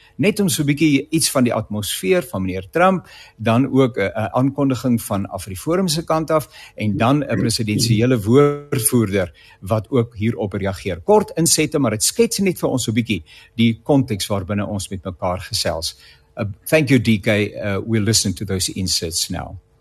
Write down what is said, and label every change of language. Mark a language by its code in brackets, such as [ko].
[af] Net om so 'n bietjie iets van die atmosfeer van meneer Trump, dan ook een aankondiging van AfriForum se kant af, en dan een presidentiële woordvoerder wat ook hierop reageer. Kort insette, maar het skets net vir ons so 'n bietjie die context waarbinne ons met mekaar gesels. [en] Thank you, DK. We'll listen to those inserts now.